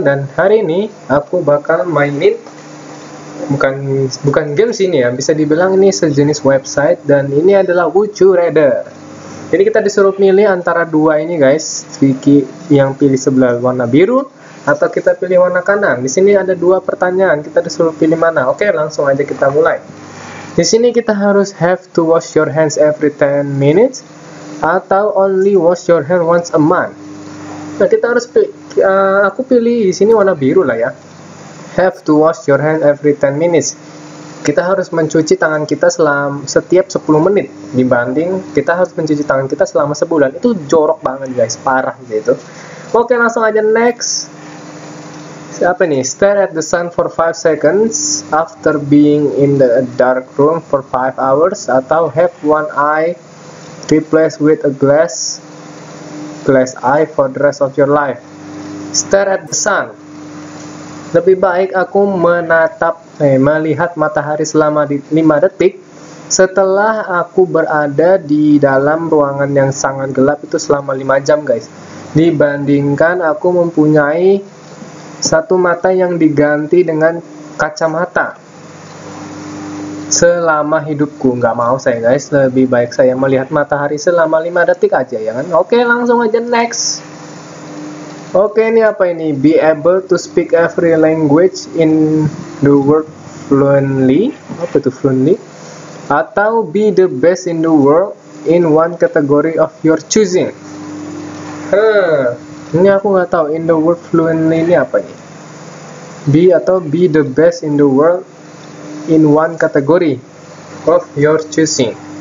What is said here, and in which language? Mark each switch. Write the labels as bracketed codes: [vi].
[id] Dan hari ini aku bakal mainin bukan bukan game sih ini ya, bisa dibilang ini sejenis website dan ini adalah Wuchu Raider. Jadi kita disuruh milih antara dua ini guys, Vicky yang pilih sebelah warna biru atau kita pilih warna kanan. Di sini ada dua pertanyaan, kita disuruh pilih mana. Oke, langsung aja kita mulai. Di sini kita harus [en] have to wash your hands every 10 minutes atau only wash your hand once a month. [id] Nah, kita harus aku pilih di sini warna biru lah ya. [en] Have to wash your hand every 10 minutes. [id] Kita harus mencuci tangan kita setiap 10 menit dibanding kita harus mencuci tangan kita selama sebulan. Itu jorok banget guys, parah gitu. Oke, langsung aja next. Apa nih? [en] Stare at the sun for 5 seconds after being in the dark room for 5 hours atau have one eye replaced with a glass eye for the rest of your life. Stare at the sun. [id] Lebih baik aku melihat matahari selama 5 detik setelah aku berada di dalam ruangan yang sangat gelap itu selama 5 jam guys, dibandingkan aku mempunyai satu mata yang diganti dengan kacamata selama hidupku. Nggak mau saya guys, lebih baik saya melihat matahari selama 5 detik aja ya kan. Oke, langsung aja next. Oke, ini apa ini? [en] Be able to speak every language in the world fluently. [id] Apa itu [en] fluently? Atau be the best in the world in one category of your choosing. [id] Ini aku nggak tahu [en] in the world fluently [id] ini apa ini. [en] Be atau be the best in the world in one category of your choosing.